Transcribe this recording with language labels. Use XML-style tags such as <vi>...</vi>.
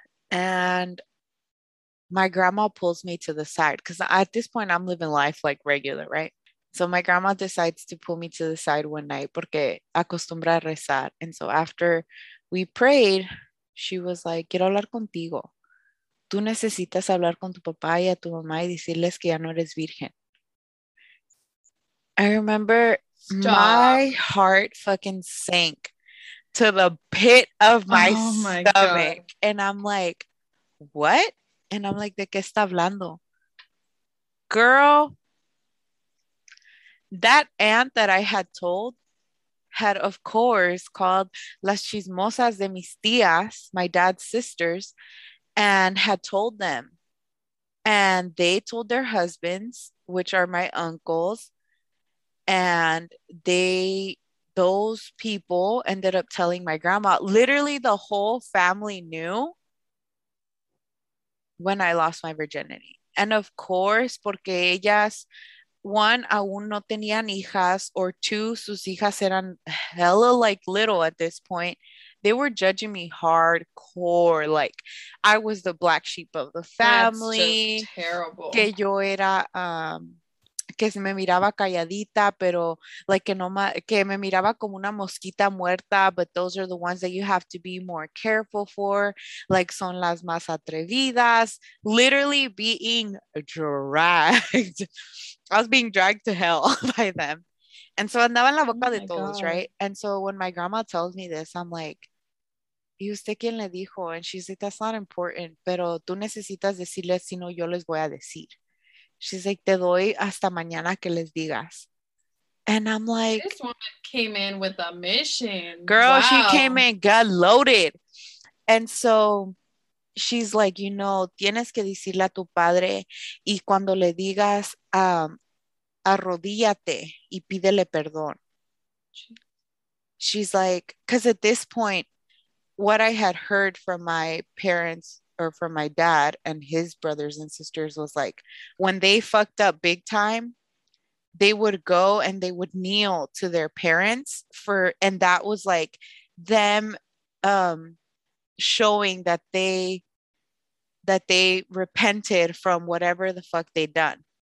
<en>And my grandma pulls me to the side because at this point I'm living life like regular, right? So my grandma decides to pull me to the side one night</en> <es>porque acostumbra a rezar.</es> <en>And so after we prayed, she was like,</en> <es>quiero hablar contigo. Tú necesitas hablar con tu papá y a tu mamá y decirles que ya no eres virgen.</es> <en>I remember my heart fucking sank to the pit of my stomach. God. And I'm like, what? And I'm like,</en> <es>¿de qué está hablando?</es> <en>Girl, that aunt that I had told had, of course, called</en> <es>las chismosas de mis tías,</es> <en>my dad's sisters, and had told them. And they told their husbands, which are my uncles. And those people ended up telling my grandma. Literally the whole family knew when I lost my virginity. And of course,</en> <es>porque ellas,</es> <en>one,</en> <es>aún no tenían hijas,</es> <en>or two,</en> <es>sus hijas eran</es> <en>hella like little at this point. They were judging me hardcore. Like I was the black sheep of the family. That's terrible.</en> <es>Que yo era, que me miraba calladita, pero like que me miraba como una mosquita muerta,</es> <en>but those are the ones that you have to be more careful for,</en> <es>like son las más atrevidas,</es> <en>literally being dragged. I was being dragged to hell by them.</en> <es>And so andaba en la boca de todos, right?</es> <en>And so when my grandma tells me this, I'm like,</en> <es>¿y usted quién le dijo?</es> <en>And she's like, that's not important,</en> <es>pero tú necesitas decirles, si no yo les voy a decir. She's like, te doy hasta mañana que les digas.</es> <en>And I'm like, this woman came in with a mission. Girl, wow. She came in, got loaded. And so she's like, you know,</en> <es>tienes que decirle a tu padre y cuando le digas, arrodíllate y pídele perdón.</es> <en>She's like, because at this point, what I had heard from my parents or from my dad and his brothers and sisters was like, when they fucked up big time, they would go and they would kneel to their parents for, and that was like them showing that they repented from whatever the fuck they'd done.</en>